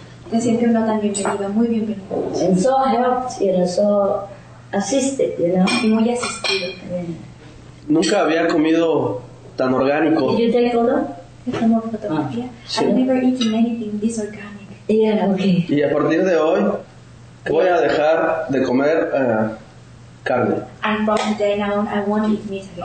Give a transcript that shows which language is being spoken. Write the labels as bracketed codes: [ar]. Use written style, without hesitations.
[es] Te sientes uno tan bienvenido, muy bienvenido. [en] And so helped, you know, so assisted, you know. [es] Y muy asistido. Nunca había comido tan orgánico. [en] Did you take photo? [es] Ah, sí. [en] I've never eaten anything this organic. Yeah, okay. [es] Y a partir de hoy voy a dejar de comer carne. [en] And from today on, I won't eat meat again.